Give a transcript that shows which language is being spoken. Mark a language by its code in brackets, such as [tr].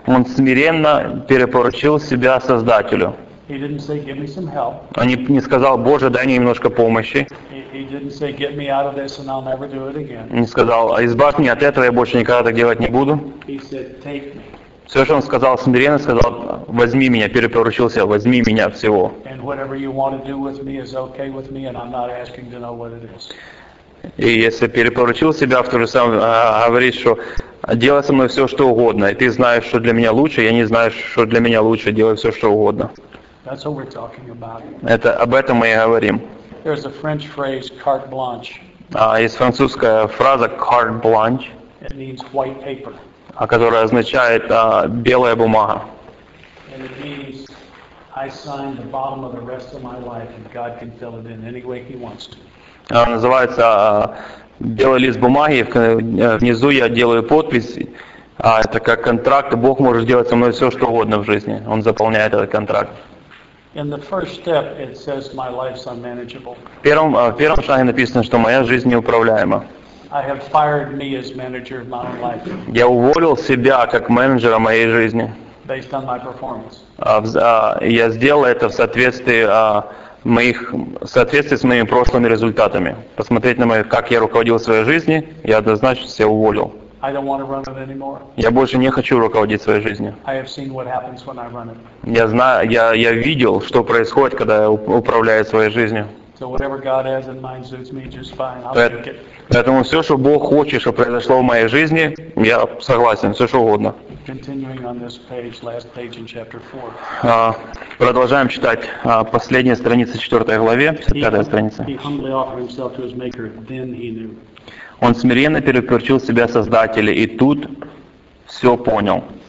[ru] Он смиренно перепоручил себя Создателю. [en] He didn't say, give me some help. [ru] Он не сказал, Боже, дай мне немножко помощи. [en] He didn't say, get me out of this and I'll never do it again. [ru] Не сказал, избавь меня от этого, я больше никогда так делать не буду. [en] He said, take me. [ru] Все, что он сказал смиренно, сказал, возьми меня, перепоручился, возьми меня всего. [en] And whatever you want to do with me is okay with me and I'm not asking to know what it is. [ru] И если перепоручил себя, в то же самое говорит, что делай со мной все, что угодно, и ты знаешь, что для меня лучше, я не знаю, что для меня лучше, делай все, что угодно. [en] That's what we're talking about. [ru] Это об этом мы и говорим. [en] There's a French phrase, carte blanche. [ru] Есть французская фраза carte blanche. [en] It means white paper. [ru] Которая означает белая бумага. [en] And it means I sign the bottom of the rest of my life and God can fill it in any way he wants to. [ru] Называется белый лист бумаги, внизу я делаю подпись, это как контракт, Бог может сделать со мной все, что угодно в жизни. Он заполняет этот контракт. [en] In the first step, it says my life's unmanageable. [ru] В первом шаге написано, что моя жизнь неуправляема. [en] I have fired me as manager of my own life. [ru] Я уволил себя как менеджера моей жизни. [en] Based on my performance. [ru] Я сделал это в соответствии в соответствии с моими прошлыми результатами. Посмотреть на мое, как я руководил своей жизнью, я однозначно себя уволил. [en] I don't want to run it anymore. [ru] Я больше не хочу руководить своей жизнью. [en] I have seen what happens when I run it. [ru] Я видел, что происходит, когда я управляю своей жизнью. [en] So whatever God has in mind suits me just fine. I'll take it. [ru] Поэтому все, что Бог хочет, что произошло в моей жизни, я согласен, все что угодно. [en] Continuing on this page, last page in chapter 4. [ru] Продолжаем читать последняя страница 4 главе, 5 страница. [en] He humbly offered himself to his maker, then he knew. [ru] Он смиренно перепорчил себя Создателя, и тут все понял.